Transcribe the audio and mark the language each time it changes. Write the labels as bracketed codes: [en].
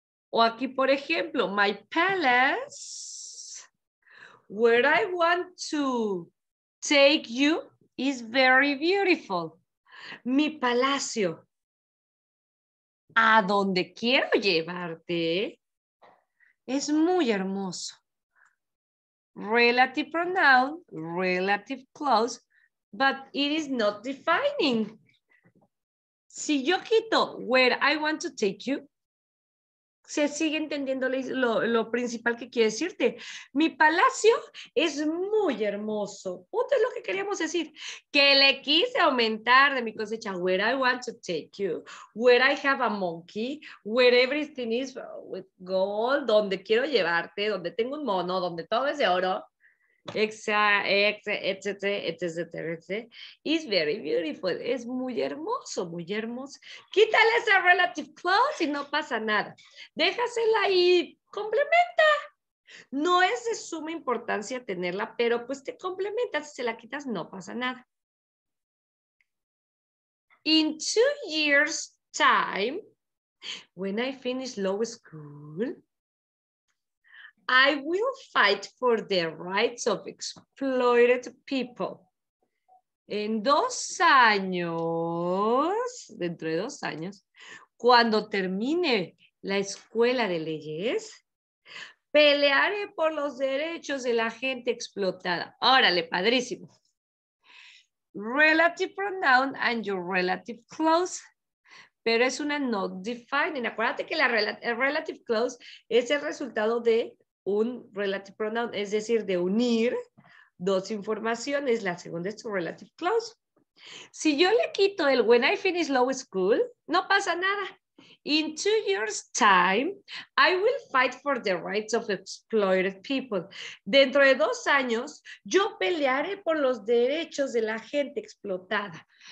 [es] O aquí, por ejemplo, [en] my palace, where I want to take you, is very beautiful. [es] Mi palacio, a donde quiero llevarte, es muy hermoso. [en] Relative pronoun, relative clause, but it is not defining. [es] Si yo quito [en] where I want to take you, [es] se sigue entendiendo lo principal que quiere decirte. Mi palacio es muy hermoso. Esto es lo que queríamos decir. Que le quise aumentar de mi cosecha. [en] Where I want to take you. Where I have a monkey. Where everything is with gold. [es] Donde quiero llevarte. Donde tengo un mono. Donde todo es de oro. [en] It's very beautiful. [es] Es muy hermoso, muy hermoso. Quítale esa relative clause y no pasa nada. Déjasela ahí, complementa. No es de suma importancia tenerla, pero pues te complementa. Si se la quitas, no pasa nada. [en] In 2 years' time, when I finish law school, I will fight for the rights of exploited people. [es] En 2 años, dentro de 2 años, cuando termine la escuela de leyes, pelearé por los derechos de la gente explotada. Órale, padrísimo. [en] Relative pronoun and your relative clause. [es] Pero es una not defining. Acuérdate que la relative clause es el resultado de un relative pronoun, es decir, de unir dos informaciones. La segunda es tu relative clause. Si yo le quito el [en] when I finish law school, [es] no pasa nada. [en] In 2 years' time, I will fight for the rights of exploited people. [es] Dentro de 2 años, yo pelearé por los derechos de la gente explotada.